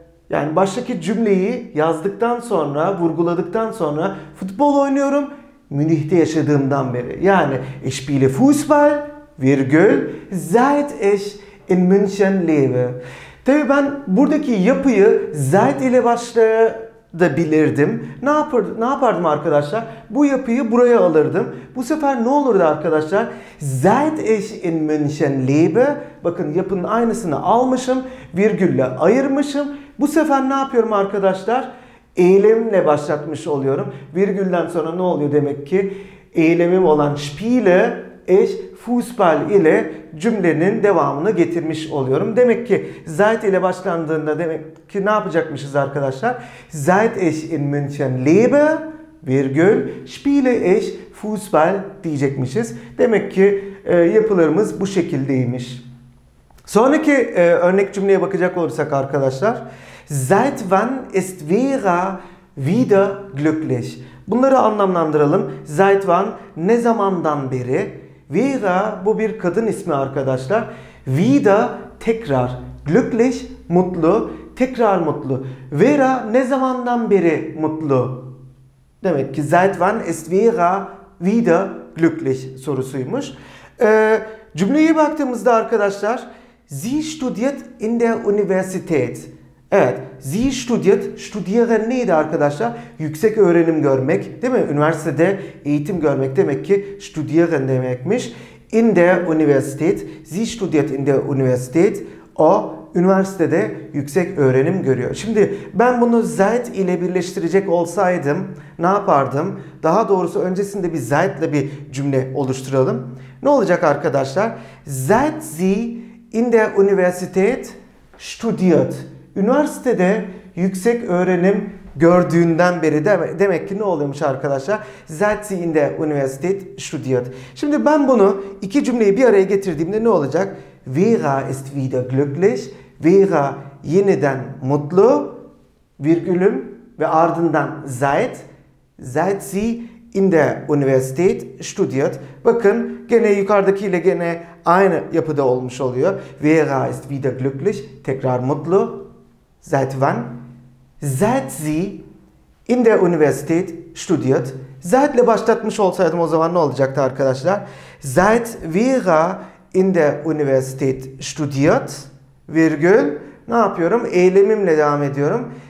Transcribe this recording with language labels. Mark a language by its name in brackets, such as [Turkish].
[Turkish] Yani baştaki cümleyi yazdıktan sonra, vurguladıktan sonra futbol oynuyorum Münih'te yaşadığımdan beri. Yani [German] ich spiele Fußball, [Turkish] virgül, [German] seit ich in München lebe. [Turkish] Tabi ben buradaki yapıyı seit ile başlayabilirdim. Ne yapardım arkadaşlar? Bu yapıyı buraya alırdım. Bu sefer ne olurdu arkadaşlar? [German] Seit ich in München lebe. [Turkish] Bakın yapının aynısını almışım. Virgülle ayırmışım. Bu sefer ne yapıyorum arkadaşlar? Eylemle başlatmış oluyorum. Virgülden sonra ne oluyor demek ki? Eylemim olan [German] spiele ich Fußball [Turkish] ile cümlenin devamını getirmiş oluyorum. Demek ki seit ile başlandığında demek ki ne yapacakmışız arkadaşlar? [German] Seit ich in München lebe, [Turkish] virgül, [German] spiele ich Fußball [Turkish] diyecekmişiz. Demek ki yapılarımız bu şekildeymiş. Sonraki örnek cümleye bakacak olursak arkadaşlar. [German] Seit wann ist Vera wieder glücklich? [Turkish] Bunları anlamlandıralım. [German] Seit wann, [Turkish] ne zamandan beri? Vera, bu bir kadın ismi arkadaşlar. Vida, tekrar. Glücklich, mutlu. Tekrar mutlu. Vera, ne zamandan beri mutlu? Demek ki [German] seit wann ist Vera wieder glücklich [Turkish] sorusuymuş. Cümleye baktığımızda arkadaşlar. [German] Sie studiert in der Universität. [Turkish] Evet, [German] sie studiert, [Turkish] studieren neydi arkadaşlar? Yüksek öğrenim görmek, değil mi? Üniversitede eğitim görmek demek ki studieren demekmiş. [German] In der Universität, sie studiert in der Universität. [Turkish] O, üniversitede yüksek öğrenim görüyor. Şimdi ben bunu Zeit ile birleştirecek olsaydım ne yapardım? Daha doğrusu öncesinde bir Zeit ile bir cümle oluşturalım. Ne olacak arkadaşlar? [German] Zeit sie in der Universität studiert. [Turkish] Üniversitede yüksek öğrenim gördüğünden beri demek ki ne oluyormuş arkadaşlar? [German] Seit sie in der Universität studiert. [Turkish] Şimdi ben bunu iki cümleyi bir araya getirdiğimde ne olacak? [German] Vera ist wieder glücklich. [Turkish] Vera yeniden mutlu. Virgülüm ve ardından [German] seit. Seit sie in der Universität studiert. [Turkish] Bakın gene yukarıdaki ile gene aynı yapıda olmuş oluyor. [German] Vera ist wieder glücklich. [Turkish] Tekrar mutlu. [German] Seit wann? Seit sie in der Universität studiert. [Turkish] Seit ile başlatmış olsaydım o zaman ne olacaktı arkadaşlar? [German] Seit Vera in der Universität studiert, [Turkish] virgül, ne yapıyorum? Eylemimle devam ediyorum.